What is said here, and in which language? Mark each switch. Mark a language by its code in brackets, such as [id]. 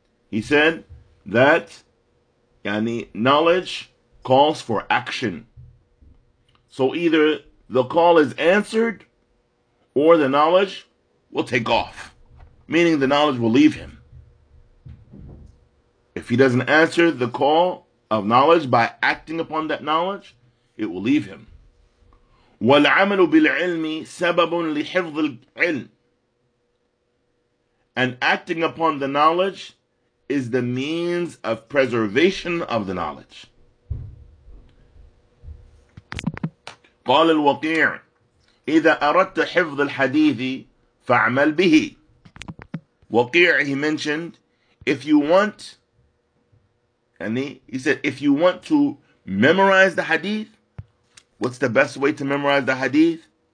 [en] He said that يعني knowledge calls for action, so either the call is answered or the knowledge will take off, meaning the knowledge will leave him if he doesn't answer the call of knowledge by acting upon that knowledge, it will leave him. [ar] وَالْعَمَلُ بِالْعِلْمِ سَبَبٌ لِحِفْظِ الْعِلْمِ. [en] And acting upon the knowledge is the means of preservation of the knowledge. [ar] قال الوقيع إذا أردت حفظ الحديث فاعمل به. [en] وقيع, he mentioned, if you want, and he said, if you want to memorize the hadith, what's the best way to memorize the hadith?